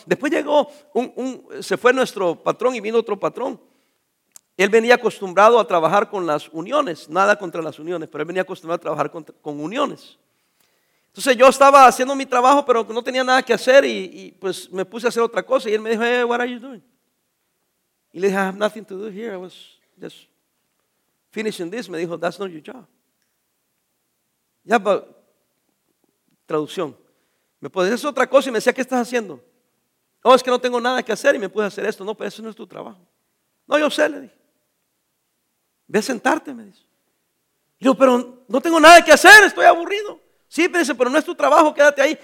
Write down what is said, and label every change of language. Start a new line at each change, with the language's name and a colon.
Spanish: Después llegó, se fue nuestro patrón y vino otro patrón. Él venía acostumbrado a trabajar con las uniones, nada contra las uniones, pero él venía acostumbrado a trabajar con uniones. Entonces yo estaba haciendo mi trabajo, pero no tenía nada que hacer y pues me puse a hacer otra cosa. Y él me dijo,
English: hey, what are you doing?
Spanish: Y le dije,
English: I have nothing to do here. I was just finishing this.
Spanish: Me dijo,
English: that's not your job.
Spanish: Ya, yeah, traducción. Me puse a hacer otra cosa y me decía, ¿qué estás haciendo? Oh, es que no tengo nada que hacer y me puse a hacer esto. No, pero eso no es tu trabajo. No, yo sé, le dije. Ve a sentarte, me dice. Y yo, pero no tengo nada que hacer, estoy aburrido. Sí, me dice, pero no es tu trabajo, quédate ahí.